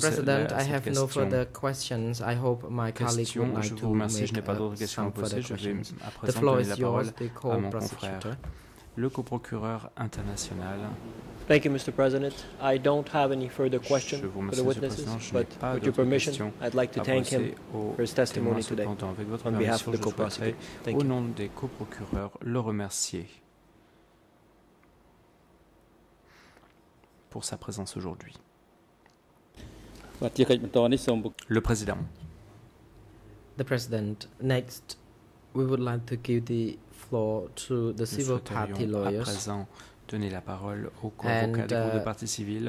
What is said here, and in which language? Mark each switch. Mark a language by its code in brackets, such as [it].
[en] President, I have no further questions. I hope my colleagues would like to make some further questions. The floor is yours, the co-prosecutor. [fr] Le co-procureur international. [en] Thank you, Mr. President. I don't have any further questions for the witnesses, but with your permission, I'd like to thank him for his testimony today on behalf of the co-prosecutor. Thank you. [fr] Au nom des co-procureurs, le remercier pour sa présence aujourd'hui. Le président. [en] The president. Next, we would like to give the floor to the civil party lawyers. [fr] À présent, Donner la parole au convocateur de partie civile.